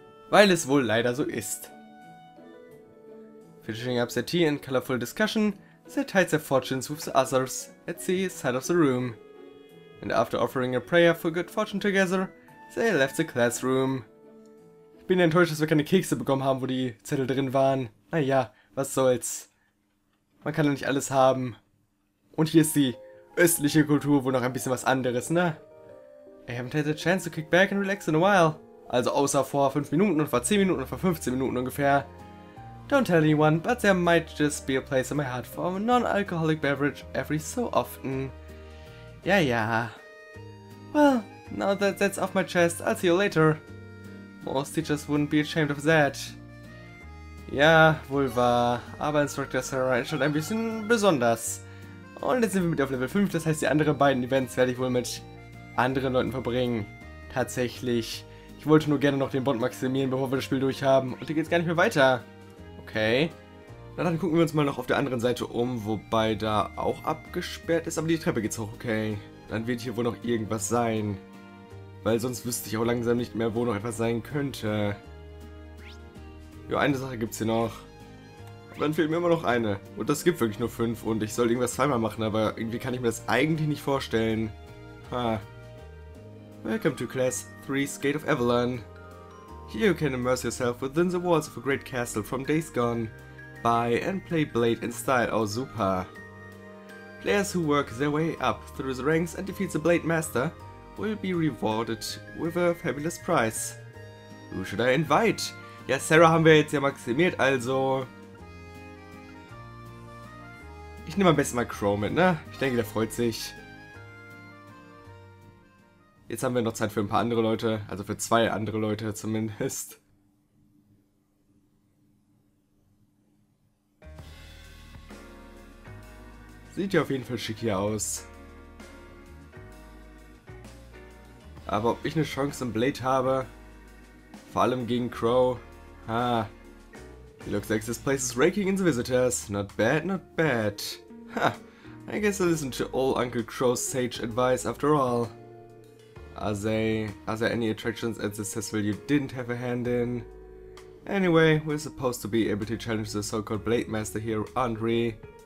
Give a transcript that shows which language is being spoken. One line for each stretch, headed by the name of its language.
German: Weil es wohl leider so ist.
English: Finishing up the tea in colorful discussion, they tied their fortunes with the others at the side of the room. And after offering a prayer for good fortune together, they left the classroom.
German: Ich bin enttäuscht, dass wir keine Kekse bekommen haben, wo die Zettel drin waren. Naja, was soll's. Man kann ja nicht alles haben. Und hier ist die östliche Kultur, wo noch ein bisschen was anderes, ne?
English: I haven't had a chance to kick back and relax in a while.
German: Also außer vor 5 Minuten und vor 10 Minuten und vor 15 Minuten ungefähr.
English: Don't tell anyone, but there might just be a place in my heart for a non-alcoholic beverage every so often.
German: Ja, ja.
English: Well, now that that's off my chest, I'll see you later. Most teachers wouldn't be ashamed of that.
German: Ja, wohl wahr. Aber Instructor Sarah ist schon ein bisschen besonders. Und jetzt sind wir mit auf Level 5, das heißt, die anderen beiden Events werde ich wohl mit anderen Leuten verbringen. Tatsächlich. Ich wollte nur gerne noch den Bond maximieren, bevor wir das Spiel durchhaben. Und hier geht's gar nicht mehr weiter. Okay. Na dann gucken wir uns mal noch auf der anderen Seite um, wobei da auch abgesperrt ist, aber die Treppe geht's hoch, okay. Dann wird hier wohl noch irgendwas sein. Weil sonst wüsste ich auch langsam nicht mehr, wo noch etwas sein könnte. Jo, eine Sache gibt's hier noch. Und dann fehlt mir immer noch eine. Und das gibt wirklich nur 5 und ich soll irgendwas zweimal machen, aber irgendwie kann ich mir das eigentlich nicht vorstellen.
English: Ha. Welcome to Class 3's Gate of Avalon. Here you can immerse yourself within the walls of a great castle from days gone. Buy and play Blade in style, oh super. Players who work their way up through the ranks and defeat the Blade Master will be rewarded with a fabulous prize. Who should I invite?
German: Ja, Sarah haben wir jetzt ja maximiert, also... Ich nehme am besten mal Crow mit, ne? Ich denke, der freut sich. Jetzt haben wir noch Zeit für ein paar andere Leute, also für 2 andere Leute zumindest. Sieht ja auf jeden Fall schick hier aus. Aber ob ich eine Chance im Blade habe, vor allem gegen Crow, ha.
English: He looks like this place is raking in the visitors. Not bad, not bad. Ha, I guess I listened to old Uncle Crow's sage advice after all. Are there any attractions at this festival you didn't have a hand in? Anyway, we're supposed to be able to challenge the so-called Blade Master here, aren't we?